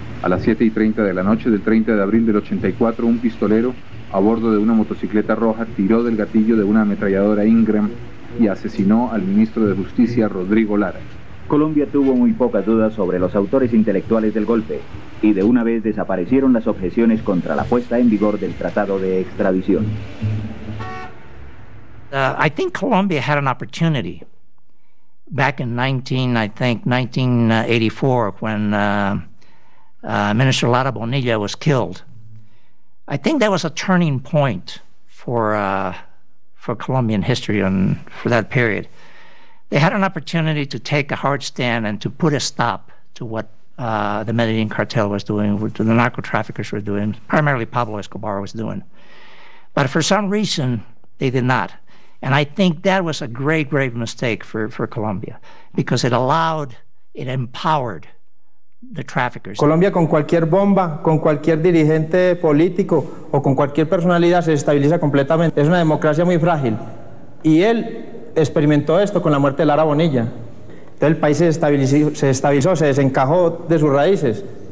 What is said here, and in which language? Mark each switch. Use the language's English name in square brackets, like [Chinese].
[Spanish] A las 7:30 de la noche del 30 de abril del 84, un pistolero a bordo de una motocicleta roja tiró del gatillo de una ametralladora Ingram y asesinó al ministro de Justicia, Rodrigo Lara. Colombia tuvo muy pocas dudas sobre los autores intelectuales del golpe, y de una vez desaparecieron las objeciones contra la puesta en vigor del tratado de extradición. [English] I think Colombia had an opportunity back in 1984 when Minister Lara Bonilla was killed. I think that was a turning point for Colombian history and for that period. They had an opportunity to take a hard stand and to put a stop to what the Medellin cartel was doing, what the narco-traffickers were doing, primarily Pablo Escobar was doing. But for some reason, They did not. And I think that was a grave mistake for Colombia, because it allowed, it empowered the traffickers. [Spanish] Colombia con cualquier bomba, con cualquier dirigente político o con cualquier personalidad se estabiliza completamente. Es una democracia muy frágil. Y él experimentó esto con la muerte de Lara Bonilla. Entonces el país se estabilizó, se desencajó de sus raíces.